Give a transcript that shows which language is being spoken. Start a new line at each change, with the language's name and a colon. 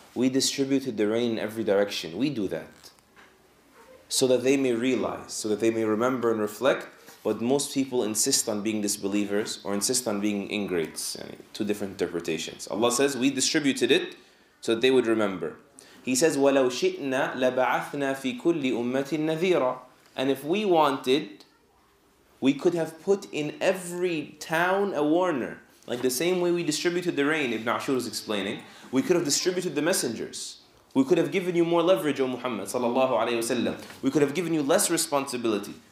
English: We distributed the rain in every direction. We do that. So that they may realize, so that they may remember and reflect. But most people insist on being disbelievers or insist on being ingrates. Two different interpretations. Allah says, we distributed it so that they would remember. He says,
Arabic: وَلَوْ شِئْنَا لَبَعَثْنَا فِي كُلِّ أُمَّةٍ نَذِيرًا.
English: And if we wanted, we could have put in every town a warner. Like the same way we distributed the rain, Ibn Ashur is explaining. We could have distributed the messengers. We could have given you more leverage, O Muhammad sallallahu alayhi wa sallam. We could have given you less responsibility.